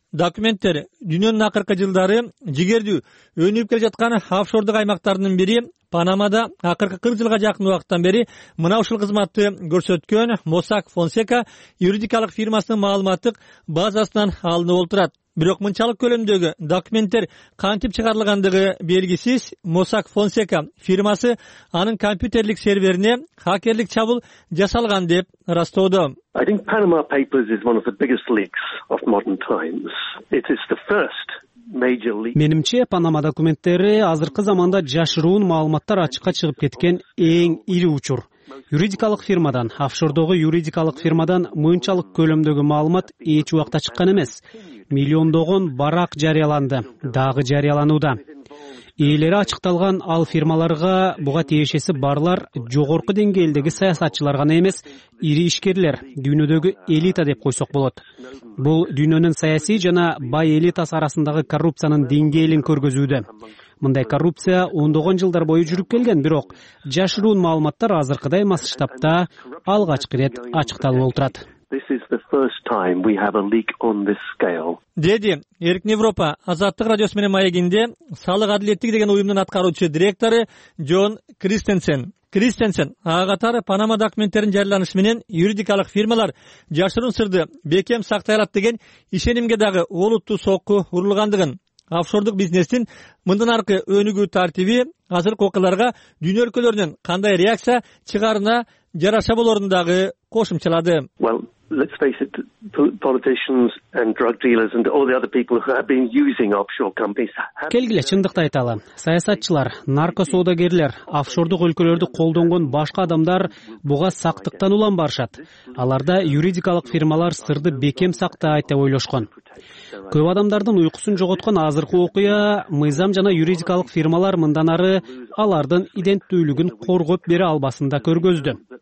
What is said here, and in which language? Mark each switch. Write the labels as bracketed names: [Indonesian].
[Kyrgyz] Документтер дүйнөнүн акыркы жылдары жигердүү өнүп келе жаткан офшордук аймактарынын бири Панамада акыркы 40 жылга жакын убакыттан бери мына ушул кызматты көрсөткөн Mossack Fonseca юридикалык фирмасынын маалыматтык базасынан алынып олтурат. Бирок мынчалык көлөмдөгү документтер кантип чыгарылгандыгы белгисиз. Mossack Fonseca фирмасы анын компьютерлик серверине хакерлик чабуул жасалган деп ырастоодо. [English] I think Panama Papers is one of the biggest leaks of modern times. It is the first major leak. [Kyrgyz] Менимче, Панама документтери азыркы заманда жашыруун маалыматтар ачыкка чыгып кеткен эң ири учур. Юридикалык фирмадан, офшордогу юридикалык фирмадан мынчалык көлөмдөгү маалымат эч убакта чыккан эмес. Миллиондогон барак жарыяланды, дагы жарыяланууда. Ээлери ачыкталган ал фирмаларга буга тиешеси барлар жогорку деңгээлдеги саясатчылар гана эмес, ири ишкерлер, дүйнөдөгү элита деп койсок болот. Бул дүйнөнүн саясий жана бай элитасы арасындагы коррупциянын деңгээлин көргөзүүдө. Мындай коррупция ондогон жылдар бою жүрүп келген, бирок жашыруун маалыматтар азыркыдай масштабта алгачкы ирет ачыкталып отурат. [English] This is the first time we have a leak on this scale. [Kyrgyz] Деди Эркин Европа Азаттык радиосу менен маегинде салык адилеттиги деген уюмдун аткаруучу директору Джон Кристенсен. Кристенсен ага катар Панама документтеринин жарыяланышы менен юридикалык фирмалар жашыруун сырды бекем сактай алат деген ишенимге дагы олуттуу сокку урулгандыгын, офшордук бизнестин мындан аркы өнүгүү тартиби азыркы окуяларга дүйнө өлкөлөрүнөн кандай реакция чыгарына жараша болорун дагы кошумчалады. [English] Well, let's face it, politicians and drug dealers and all the other people who have been using offshore companies. [Kyrgyz] Келгиле чындыкты айталы. Саясатчылар, наркосоодагерлер, офшордук өлкөлөрдү колдонгон башка адамдар буга сактыктан улам барышат. Аларда юридикалык фирмалар сырды бекем сактайт деп ойлошкон. Көп адамдардын уйкусун жоготкон азыркы окуя мыйзам жана юридикалык фирмалар мындан ары алардын иденттүүлүгүн коргоп бере албасында көргөздү.